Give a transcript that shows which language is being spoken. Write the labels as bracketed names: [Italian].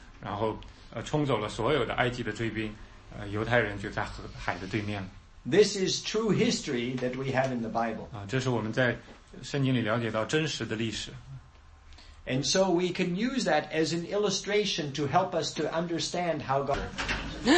[Chinese] 然后冲走了所有的埃及的追兵，犹太人就在海的对面了。 [English] This is true history that we have in the Bible. [Chinese] 这是我们在圣经里了解到真实的历史。 [English] And so we can use that as an illustration to help us to understand how God.